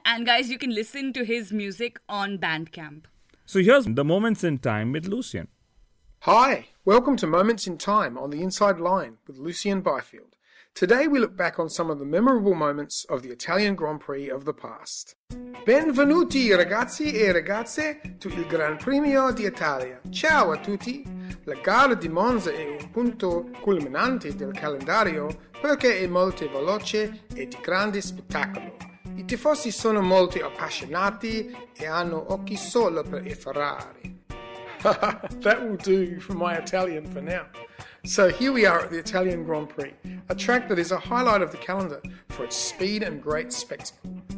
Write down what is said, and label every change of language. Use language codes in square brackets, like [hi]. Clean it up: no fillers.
[en] And guys, you can listen to his music on Bandcamp. So here's the Moments in Time with Lucien. Hi, welcome to Moments in Time on the Inside Line with Lucien Byfield. Today we look back on some of the memorable moments of the Italian Grand Prix of the past. [it] Benvenuti ragazzi e ragazze to il Gran Premio d'Italia. Ciao a tutti! La gara di Monza è un punto culminante del calendario perché è molto veloce e di grande spettacolo. I tifosi sono molto appassionati e hanno occhi solo per i Ferrari. [en] That will do for my Italian for now. So here we are at the Italian Grand Prix, a track that is a highlight of the calendar for its speed and great spectacle.